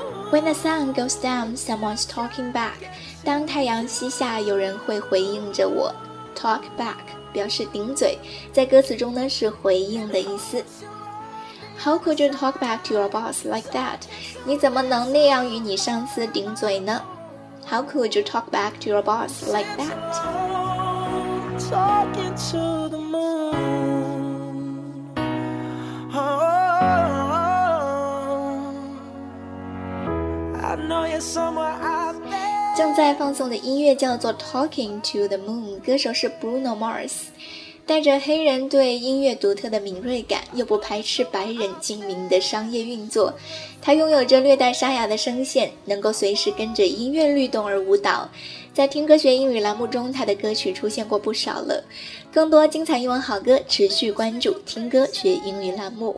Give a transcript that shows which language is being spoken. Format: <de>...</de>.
<en>When the sun goes down, someone's talking back.</en> <zh>当太阳西下，有人会回应着我。Talk back 表示顶嘴，在歌词中呢是回应的意思。</zh> <en>How could you talk back to your boss like that?</en> <zh>你怎么能那样与你上司顶嘴呢?</zh> <en>How could you talk back to your boss like that? Talking to the moon. Oh, I know you're somewhere out there.</en> <zh>正在放送的音乐叫做 Talking to the Moon, 歌手是 Bruno Mars. 带着黑人对音乐独特的敏锐感，又不排斥白人精明的商业运作，他拥有着略带沙哑的声线，能够随时跟着音乐律动而舞蹈。在听歌学英语栏目中，他的歌曲出现过不少了。更多精彩英文好歌，持续关注听歌学英语栏目。</zh>